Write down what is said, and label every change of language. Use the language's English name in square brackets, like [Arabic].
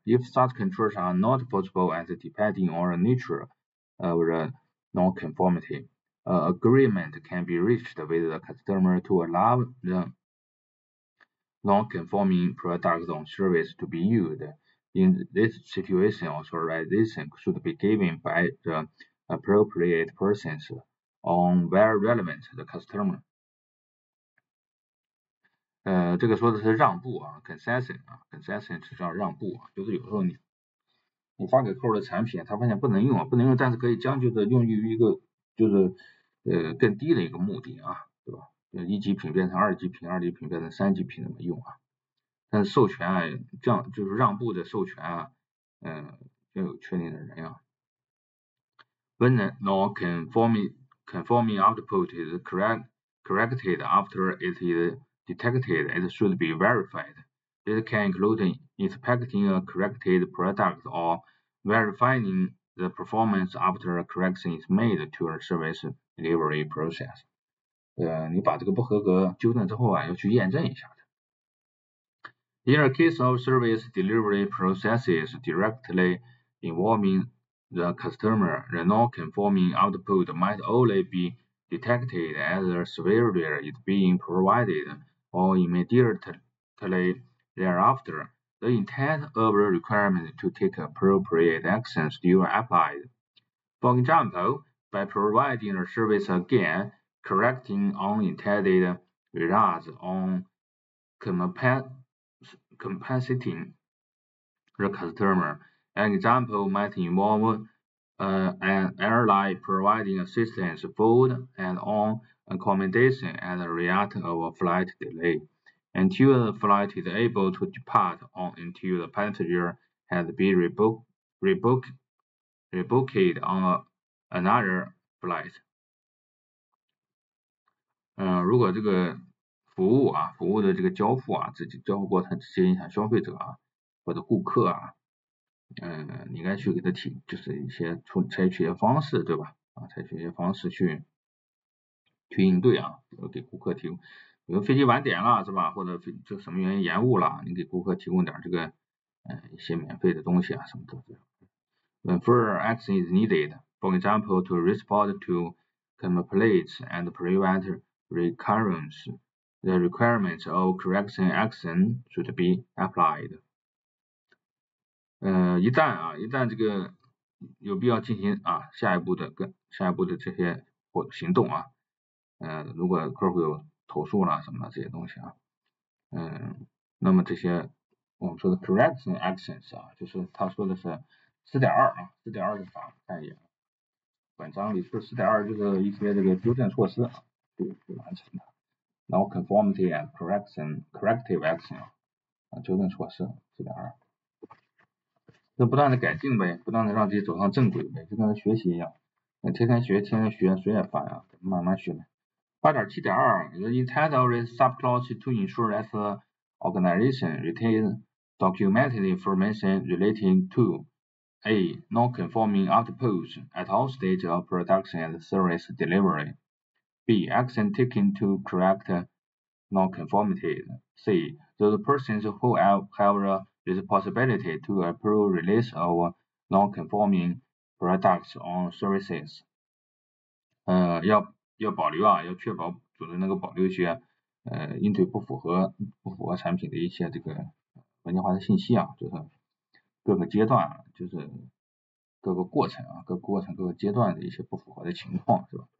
[English] If such controls are not possible as depending on the nature of the non-conformity, an agreement can be reached with the customer to allow the non-conforming product or service to be used. In this situation, authorization should be given by the appropriate persons on where relevant the customer. [Chinese] 这个说的是让步啊 ，concession 是叫让步啊，就是有时候你发给客户的产品，他发现不能用，但是可以将就的用于一个就是更低的一个目的啊，对吧？就一级品变成二级品，二级品变成三级品怎么用啊？但是授权啊，就是让步的授权啊，要有确定的人呀、啊。 [English] When the non-conforming output is corrected after it is detected, it should be verified. This can include inspecting a corrected product or verifying the performance after a correction is made to a service delivery process. [Chinese] 你把这个不合格纠正之后啊，要去验证一下的。 [English] In a case of service delivery processes directly involving the customer, the non-conforming output might only be detected as the service is being provided. Or immediately thereafter, the intent of the requirement to take appropriate actions still applies. For example, by providing a service again, correcting unintended results on compensating the customer. An example might involve an airline providing assistance, food, and on accommodation as a result of a flight delay. until the flight is able to depart or until the passenger has been rebooked on another flight. [Chinese] 如果这个服务啊，服务的这个交付啊，直接交付过程直接影响消费者啊，或者顾客啊，你应该去给他提，就是一些采取一些方式，对吧？啊，采取一些方式去应对啊，给顾客提供，比如飞机晚点了是吧？或者就什么原因延误了，你给顾客提供点这个一些免费的东西啊什么的。 [English] When further action is needed, for example, to respond to complaints and prevent recurrence, the requirements of correction action should be applied. [Chinese] 一旦这个有必要进行啊下一步的这些行动啊，如果客户有投诉啦什么的这些东西啊，那么这些我们说的 correction actions 啊，就是他说的是4.2是啥？看一眼，本章里是4.2，就是一些这个纠正措施就完成的。然后 [English] conformity and corrective action [Chinese] 啊，纠正措施4.2。就不断的改进呗，不断的让自己走上正轨呗，就跟他学习一样，天天学，天天学，谁也烦啊，慢慢学呗。 [English] 8.7.2 The intent of this subclause to ensure that the organization retains documented information relating to A. non-conforming outputs at all stages of production and service delivery. B. Action taken to correct non-conformities. C. Those persons who have the responsibility to approve release of non-conforming products or services. [Chinese] 要保留啊，要确保组织能够保留一些应对不符合产品的一些这个文件化的信息啊，就是各个阶段，就是各个过程啊，各个过程各个阶段的一些不符合的情况，是吧？